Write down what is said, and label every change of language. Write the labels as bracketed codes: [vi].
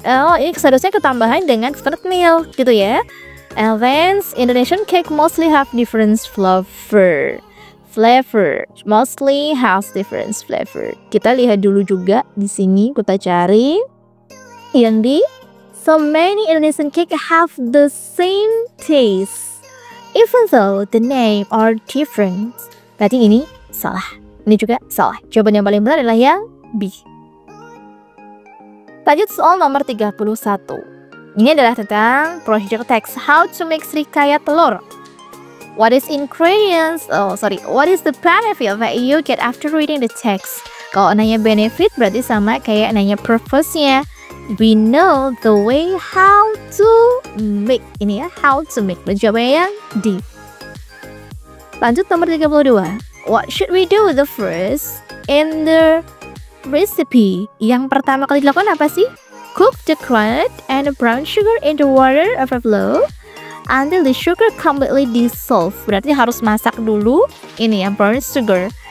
[id] Oh, ini seharusnya ketambahan dengan coconut milk gitu ya. [en] And then, Indonesian cake mostly have different flavor. Mostly has different flavor. [id] Kita lihat dulu juga di sini, kita cari yang di. [en] So many Indonesian cake have the same taste, even though the name are different. [id] Berarti ini salah. Ini juga salah. Jawaban yang paling benar adalah yang B. Lanjut soal nomor 31. Ini adalah tentang prosedur teks. [en] How to make srikaya telur. What is ingredients? Oh, sorry. What is the benefit that you get after reading the text? [id] Kalau nanya benefit berarti sama kayak nanya purpose-nya. [en] We know the way how to make. [id] Ini ya, [en] how to make. [id] Berjawabnya yang D. Lanjut nomor 32. [en] What should we do the first in the recipe? [id] Yang pertama kali dilakukan apa sih? [en] Cook the coconut and the brown sugar in the water overflow until the sugar completely dissolve. [id] Berarti harus masak dulu ini yang brown sugar.